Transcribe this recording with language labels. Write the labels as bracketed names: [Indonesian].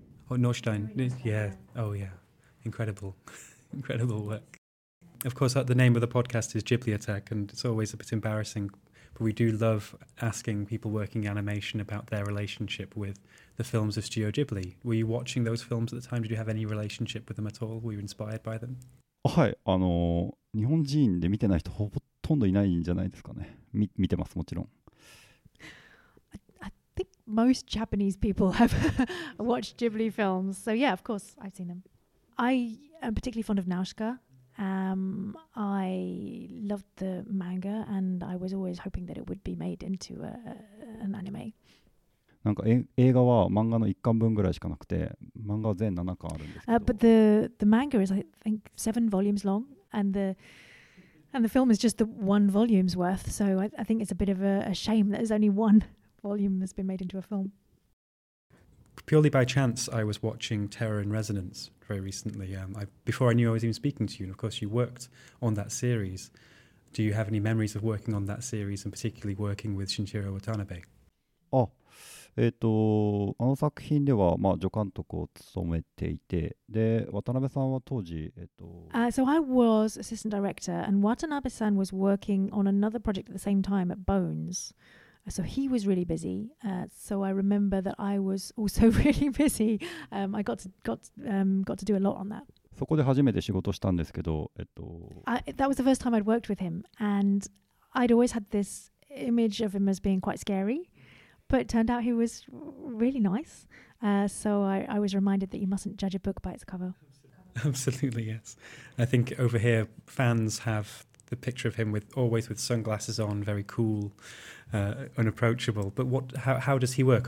[English] Oh, Norstein. Yeah. Oh, yeah. Incredible. Incredible work. Of course, the name of the podcast is Ghibli Attack, and it's always a bit embarrassing, but we do love asking people working animation about their relationship with the films of Studio Ghibli. Were you watching those films at the time? Did you have any relationship with them at all? Were you inspired by them? [Japanese] はい、日本人で見てない人ほとんどいないんじゃないですかね。見てます、もちろん。 [English] I think most Japanese people have watched Ghibli films. So yeah, of course, I've seen them. I am particularly fond of Nausicaa. I loved the manga and I was always hoping that it would be made into an anime. [Japanese] なんか映画は漫画の1巻分ぐらいしかなくて、漫画は全7巻あるんですけど。 [English] But the manga is, I think, 7 volumes long, and the film is just the one volume's worth. So I think it's a bit of a shame that there's only one volume that's been made into a film. Purely by chance, I was watching Terror in Resonance very recently. Before I knew I was even speaking to you, and of course you worked on that series. Do you have any memories of working on that series and particularly working with Shinichiro Watanabe? [Japanese] Oh, あの作品では、まあ、助監督を務めていて、で、渡辺さんは当時、 [English] So I was assistant director and Watanabe-san was working on another project at the same time at Bones. So he was really busy. So I remember that I was also really busy. I got to do a lot on that. [Japanese] そこで初めて仕事したんですけど、 [English] That was the first time I'd worked with him, and I'd always had this image of him as being quite scary, but it turned out he was really nice. So I was reminded that you mustn't judge a book by its cover. Absolutely, yes. I think over here fans have the picture of him with always with sunglasses on, very cool, unapproachable. But what? How does he work?